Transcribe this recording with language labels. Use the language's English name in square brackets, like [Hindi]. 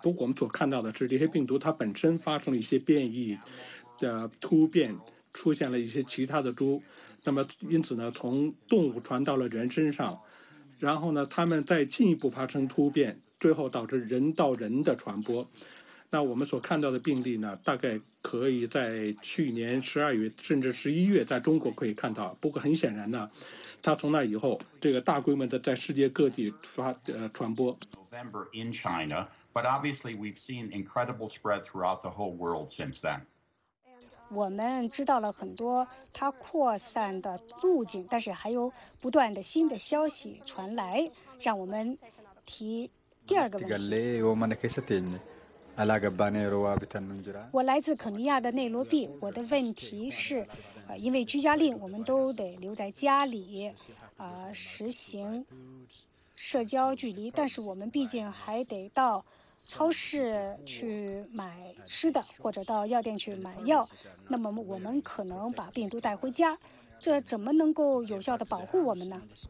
[Chinese] 不过我们所看到的是，这些病毒它本身发生了一些变异的突变，出现了一些其他的猪，那么因此呢，从动物传到了人身上，然后呢，它们再进一步发生突变，最后导致人到人的传播。那我们所看到的病例呢，大概可以在去年12月甚至11月在中国可以看到。不过很显然呢，它从那以后这个大规模的在世界各地传播。 [English] November in China, but obviously we've seen incredible spread throughout the whole world since then. [Chinese] 我们知道了很多它扩散的路径，但是还有不断的新的消息传来，让我们提第二个问题。我来自肯尼亚的内罗毕，我的问题是，因为居家令，我们都得留在家里，实行社交距离，但是我们毕竟还得到超市去买吃的，或者到药店去买药，那么我们可能把病毒带回家，这怎么能够有效地保护我们呢？